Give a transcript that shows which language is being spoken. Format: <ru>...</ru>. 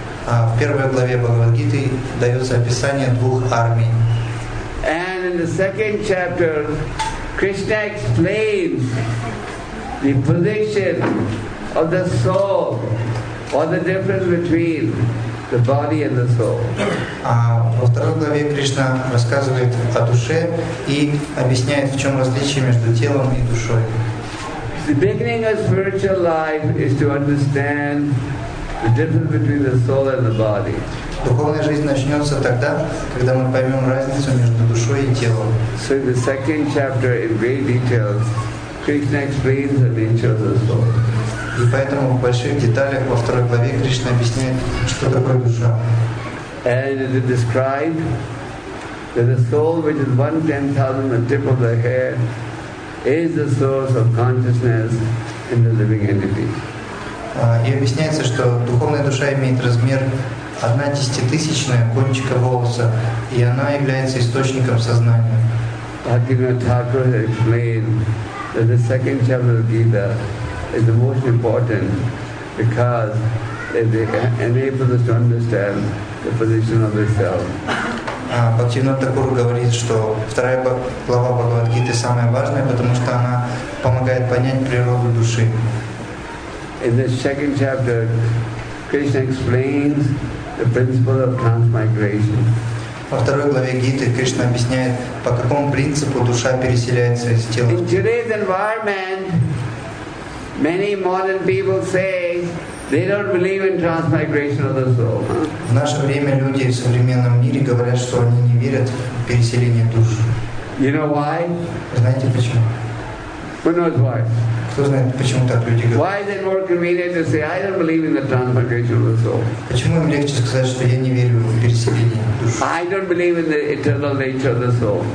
<ru>А в первой главе Бхагавад-гиты дается описание двух армий.</ru> <en>And in the second chapter, Krishna explains the position of the soul, or the difference between the body and the soul.</en> <ru>А во второй главе Кришна рассказывает о душе и объясняет, в чем различие между телом и душой.</ru> <en>The beginning of spiritual life is to understand the difference between the soul and the body.</en> <ru>Духовная жизнь начнется тогда, когда мы поймем разницу между душой и телом.</ru> <en>So in the second chapter, in great detail, Krishna explains the nature of the soul.</en> <ru>И поэтому в больших деталях во второй главе Кришна объясняет, что такое душа.</ru> <en>And it is described that the soul, which is 1/10,000 the tip of the head, is the source of consciousness, in the living entity.</en> <ru>И объясняется, что духовная душа имеет размер 1/10000 кончика волоса, и она является источником сознания.</ru> <en>Bhaktivinoda Thakura explained that the second chapter of Gita is the most important because it enables us to understand the position of the self.</en> <ru>Бхактивинода Тхакура говорит, что вторая глава Бхагавад-гиты самая важная, потому что она помогает понять природу души.</ru> <en>In the second chapter, Krishna explains the principle of transmigration.</en> <ru>Во второй главе Гиты Кришна объясняет, по какому принципу душа переселяется из тела.</ru> <en>In today's environment, many modern people say they don't believe in transmigration of the soul.</en> <ru>В наше время люди в современном мире говорят, что они не верят в переселение душ.</ru> <en>You know why?</en> <ru>Знаете почему?</ru> <en>Who knows why?</en> <ru>Кто знает, почему так люди говорят?</ru> <en>Why is it more convenient to say I don't believe in the transmigration of the soul?</en> <ru>Почему им легче сказать, что я не верю в переселение душ?</ru> <en>I don't believe in the eternal nature of the soul.</en>